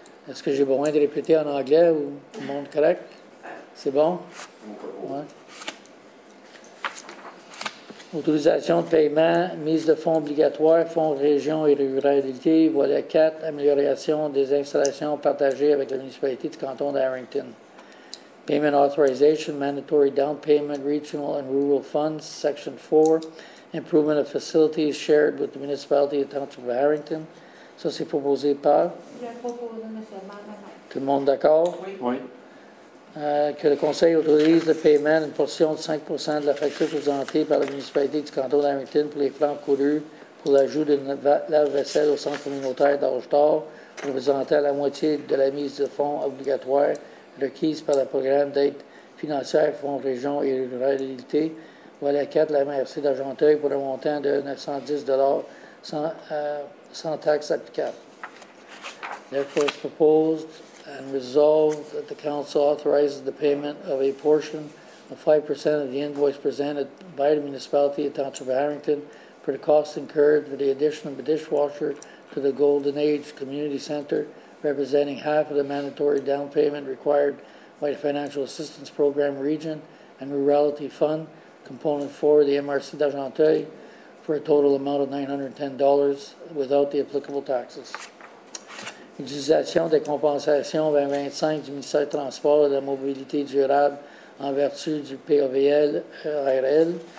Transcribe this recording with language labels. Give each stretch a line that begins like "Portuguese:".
French: Est-ce que j'ai besoin de répéter en anglais ou tout le monde correct? C'est bon? Ouais. Autorisation de paiement, mise de fonds obligatoires, fonds région et ruralité, volet 4, amélioration des installations partagées avec la municipalité du canton d'Harrington.
English: Payment authorization, mandatory down payment, regional and rural funds, section 4, improvement of facilities shared with the municipality of the township of Harrington.
French: Ça, c'est proposé par? Je propose, M. Manon. Tout le monde d'accord? Oui. Oui. Que le conseil autorise le paiement d'une portion de 5% de la facture présentée par la municipalité du canton d'Harrington pour les frais encourus pour l'ajout de lave-vaisselle au centre communautaire d'Orge d'Or, représentant la moitié de la mise de fonds obligatoire requise par le programme d'aide financière Fonds région et ruralité, voilà 4 la MRC d'Argenteuil pour un montant de 910 $ sans taxes applicables.
English: Therefore, it's proposed and resolved that the council authorizes the payment of a portion of 5% of the invoice presented by the municipality of Township of Harrington for the costs incurred for the addition of a dishwasher to the Golden Age Community Center, representing half of the mandatory down payment required by the Financial Assistance Program Region and Rurality Fund, Component 4 of the MRC d'Argenteuil, for a total amount of $910 without the applicable taxes.
French: Utilisation des compensations 2025 du ministère de Transport et de la Mobilité durable en vertu du POVL-RL.